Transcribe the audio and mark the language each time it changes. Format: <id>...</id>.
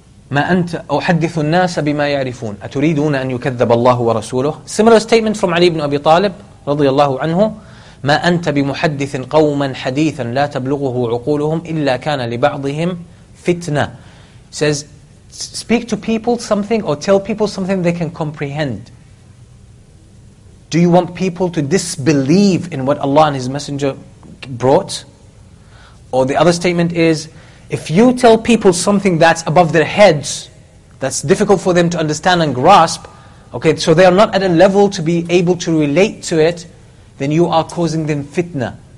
<ar>ما أنت أحدث الناس بما يعرفون أتريدون أن يكذب الله ورسوله.</ar> <en>Similar statement from Ali ibn Abi Talib</en> <ar>رضي الله عنه. ما أنت بمحدث قوما حديثا لا تبلغه عقولهم إلا كان لبعضهم فتنة.</ar> <en>Says, speak to people something or tell people something they can comprehend. Do you want people to disbelieve in what Allah and His Messenger brought? Or the other statement is, if you tell people something that's above their heads, that's difficult for them to understand and grasp, okay, so they are not at a level to be able to relate to it, then you are causing them fitna.</en>